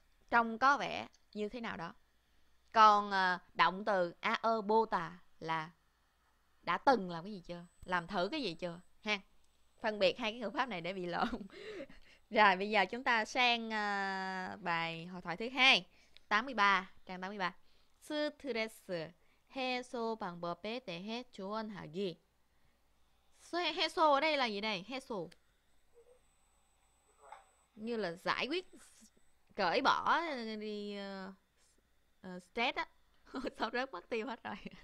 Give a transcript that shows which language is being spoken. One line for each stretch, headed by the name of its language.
Vietnamese: Trông có vẻ như thế nào đó. Còn động từ a ơ bota là đã từng làm cái gì chưa? Làm thử cái gì chưa? Ha. Phân biệt hai cái ngữ pháp này để bị lộn. Rồi bây giờ chúng ta sang bài hội thoại thứ hai, 83, trang 83. Stress.
Korean: 해소 방법에 대해 조언하기.
Vietnamese: 해소 ở đây là gì đây? Heso. Như là giải quyết, cởi bỏ đi stress á. Sao rớt mất tiêu hết rồi.